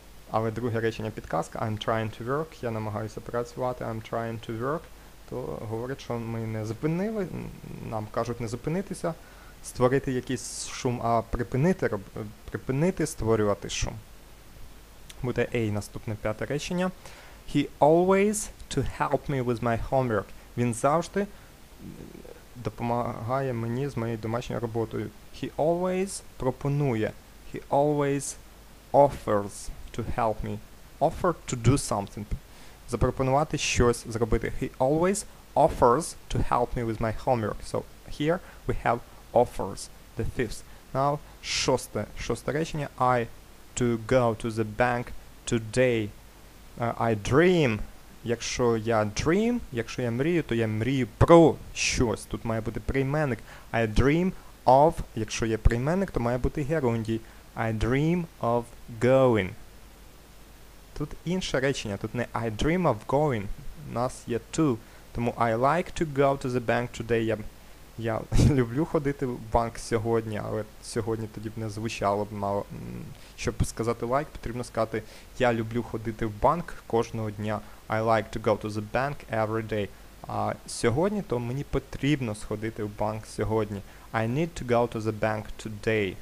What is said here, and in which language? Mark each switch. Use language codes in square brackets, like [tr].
[uk] Але друге речення підказка [en] I'm trying to work. [uk] Я намагаюся працювати. [en] I'm trying to work. [uk] То говорить, що ми не зупинили, нам кажуть не зупинитися, створити якийсь шум, а припинити створювати шум. Буде A наступне п'яте речення. [en] He always to help me with my homework. [uk] Він завжди допомагає мені з моєю домашньою роботою. [en] He always пропонує. He always offers to help me. Offer to do something. [uk] Запропонувати щось зробити. [en] He always offers to help me with my homework. So here we have offers. The fifth. Now [uk] шосте. Шосте речення. [en] I to go to the bank today. I dream. [uk] Якщо я dream, якщо я мрію, то я мрію про щось. Тут має бути прийменник. [en] I dream of. [uk] Якщо є прийменник, то має бути герундій. [en] I dream of going. [uk] Тут інше речення. Тут не [en] I dream of going. [uk] У нас є to. [en] Тому I like to go to the bank today. [uk] Я люблю ходити в банк сьогодні, але сьогодні тоді б не звучало б мало. Щоб сказати like, потрібно сказати я люблю ходити в банк кожного дня. [en] I like to go to the bank every day. [uk] А сьогодні, то мені потрібно сходити в банк сьогодні. [en] I need to go to the bank today.